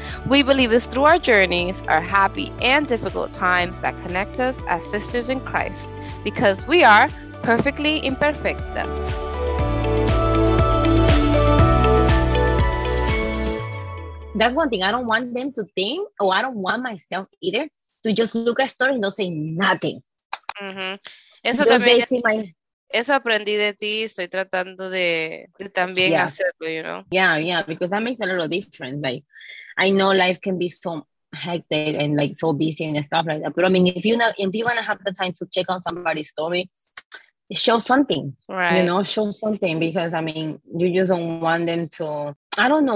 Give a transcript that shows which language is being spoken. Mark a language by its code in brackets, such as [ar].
[en] We believe it's through our journeys, our happy and difficult times that connect us as sisters in Christ, because we are perfectly imperfectas. That's one thing. I don't want them to think, or I don't want myself either, to just look at stories and not say nothing. Mm-hmm. [es] Eso [en] because [es] también [en] they see my... [es] Eso aprendí de ti, estoy tratando de también yeah. hacerlo, [en] you know? Yeah, because that makes a little difference. Like, I know life can be so hectic and like so busy and stuff like that. But I mean, if you're gonna have the time to check on somebody's story, show something, right? You know, show something, because I mean, you just don't want them to. I don't know.